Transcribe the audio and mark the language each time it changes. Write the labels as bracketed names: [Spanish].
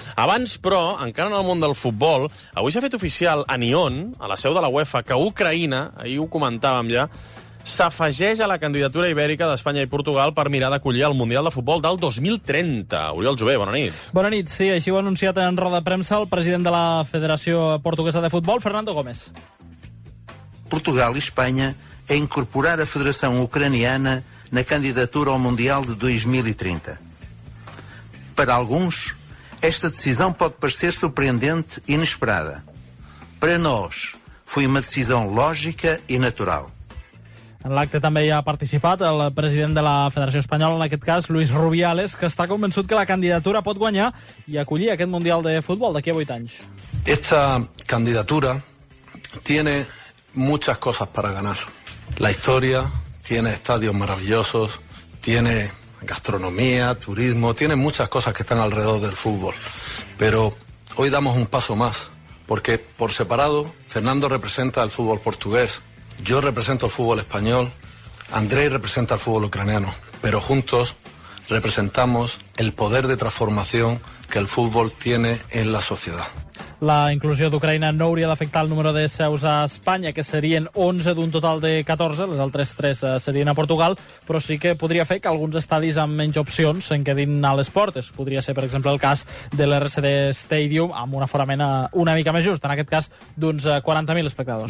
[Catalan] Abans, però, encara en el món del futbol, avui s'ha fet oficial a Nyon, a la seu de la UEFA, que Ucraïna, ahir ho comentàvem ja, s'afegeix a la candidatura ibèrica d'Espanya i Portugal per mirar d'acollir el Mundial de Futbol del 2030. Oriol Jové, bona nit. Bona nit, sí, així ho ha anunciat en roda de premsa el president de la Federació Portuguesa de Futbol, Fernando Gómez. [Portuguese] Portugal e Espanha a incorporar a Federação Ucraniana na candidatura ao Mundial de 2030. Para alguns, esta decisão pode parecer surpreendente e inesperada. Para nós, foi uma decisão lógica e natural. [Catalan] En l'acte també hi ha participat el president de la Federació Espanyola, en aquest cas, Luis Rubiales, que està convençut que la candidatura pot guanyar i acollir aquest Mundial de Futbol d'aquí a 8 anys. [Spanish] Esta candidatura tiene muchas cosas para ganar. La historia tiene estadios maravillosos, tiene gastronomía, turismo, tiene muchas cosas que están alrededor del fútbol. Pero hoy damos un paso más, porque por separado, Fernando representa el fútbol portugués, yo represento el fútbol español, Andrei representa el fútbol ucraniano, pero juntos representamos el poder de transformación que el fútbol tiene en la sociedad. [Catalan] La inclusió d'Ucraïna no hauria d'afectar el número de seus a Espanya, que serien 11 d'un total de 14, les altres 3 serien a Portugal, però sí que podria fer que alguns estadis amb menys opcions se'n quedin a les portes. Podria ser, per exemple, el cas de l'RCD Stadium, amb un aforament una mica més just, en aquest cas d'uns 40.000 espectadors.